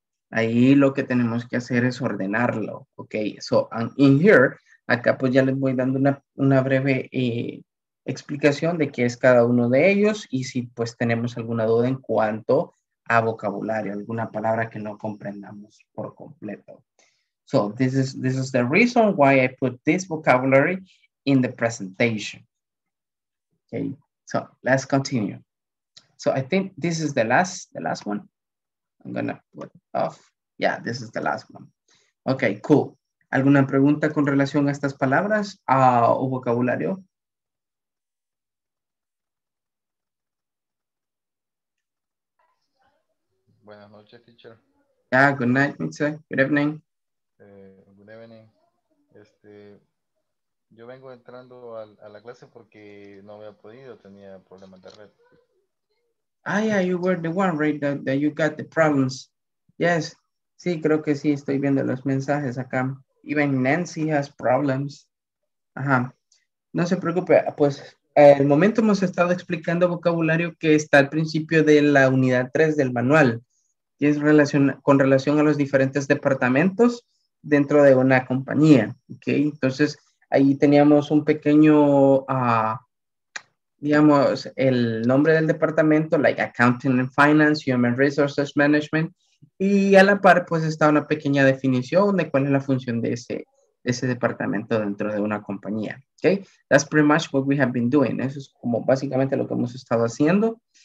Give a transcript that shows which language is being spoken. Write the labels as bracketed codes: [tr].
[es] Ahí lo que tenemos que hacer es ordenarlo, okay, [en] so and in here, [es] acá pues ya les voy dando una breve explicación de qué es cada uno de ellos y si pues tenemos alguna duda en cuanto a vocabulario, alguna palabra que no comprendamos por completo. [en] So this is the reason why I put this vocabulary in the presentation. Okay, so let's continue. So I think this is the last one. I'm gonna put off. Yeah, this is the last one. Okay, cool. [es] ¿Alguna pregunta con relación a estas palabras o vocabulario? Buenas noches, teacher. [en] Yeah, good night, Mitzel. Good evening. Good evening. [es] Yo vengo entrando a la clase porque no había podido, tenía problemas de red. [en] Ah, yeah, you were the one, right, that you got the problems. Yes, [es] sí, creo que sí, estoy viendo los mensajes acá. [en] Even Nancy has problems. [es] Ajá. No se preocupe. Pues, el momento hemos estado explicando vocabulario que está al principio de la unidad 3 del manual. Y es con relación a los diferentes departamentos dentro de una compañía. ¿Ok? Entonces, ahí teníamos un pequeño, digamos, el nombre del departamento, like Accounting and Finance, Human Resources Management. Y a la par, pues, está una pequeña definición de cuál es la función de ese departamento dentro de una compañía. [en] Okay, that's pretty much what we have been doing. [es] Eso es como básicamente lo que hemos estado haciendo.